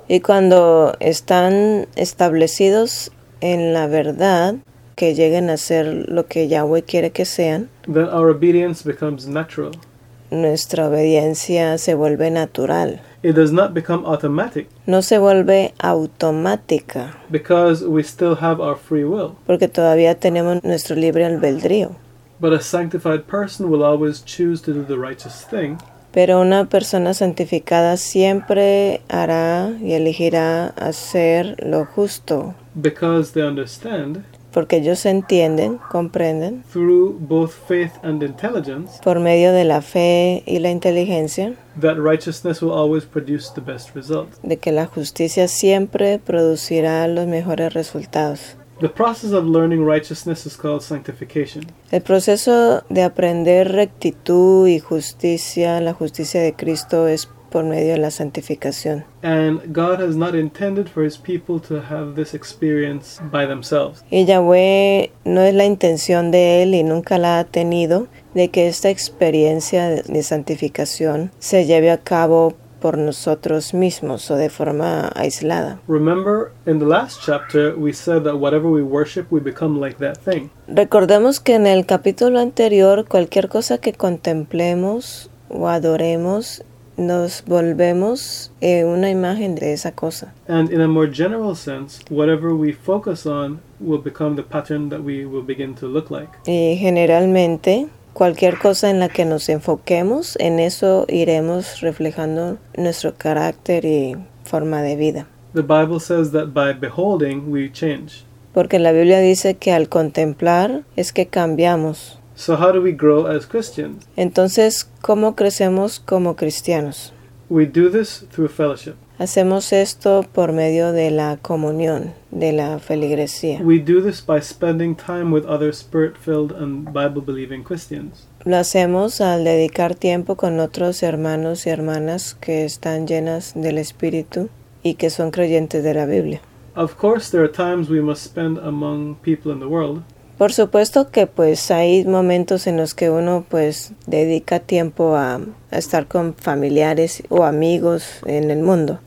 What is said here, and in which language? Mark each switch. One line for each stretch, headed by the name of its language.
Spanish: y cuando están establecidos en la verdad, que lleguen a ser lo que Yahweh quiere que sean,
English: then our obedience becomes natural.
Spanish: Nuestra obediencia se vuelve natural.
English: It does not become automatic.
Spanish: No se vuelve automática.
English: Because we still have our free will.
Spanish: Porque todavía tenemos nuestro libre albedrío.
English: But a sanctified person will always choose to do the righteous thing.
Spanish: Pero una persona santificada siempre hará y elegirá hacer lo justo.
English: Because they understand.
Spanish: Porque ellos entienden, comprenden.
English: Through both faith and intelligence.
Spanish: Por medio de la fe y la inteligencia.
English: That righteousness will always produce the best results.
Spanish: De que la justicia siempre producirá los mejores resultados.
English: The process of learning righteousness is called sanctification.
Spanish: El proceso de aprender rectitud y justicia, la justicia de Cristo, es por medio de la santificación.
English: And God has not intended for his people to have this experience by themselves.
Spanish: Y Yahweh no es la intención de él y nunca la ha tenido de que esta experiencia de santificación se lleve a cabo por nosotros mismos o de forma aislada.
English: Remember, in the last chapter, we said that whatever we worship, we become like that thing.
Spanish: Recordemos que en el capítulo anterior, cualquier cosa que contemplemos o adoremos, nos volvemos una imagen de esa cosa.
English: And in a more general sense, whatever we focus on will become the pattern that we will begin to look like.
Spanish: Y generalmente, cualquier cosa en la que nos enfoquemos, en eso iremos reflejando nuestro carácter y forma de vida.
English: The Bible says that by beholding, we change.
Spanish: Porque la Biblia dice que al contemplar es que cambiamos.
English: So how do we grow as Christians?
Spanish: Entonces, ¿cómo crecemos como cristianos?
English: We do this through fellowship.
Spanish: Hacemos esto por medio de la comunión, de la feligresía.
English: We do this by spending time with other spirit-filled and Bible-believing Christians.
Spanish: Lo hacemos al dedicar tiempo con otros hermanos y hermanas que están llenas del Espíritu y que son creyentes de la Biblia.
English: Of course, there are times we must spend among people in the world.
Spanish: Por supuesto que pues hay momentos en los que uno pues dedica tiempo a estar con familiares o amigos en el mundo.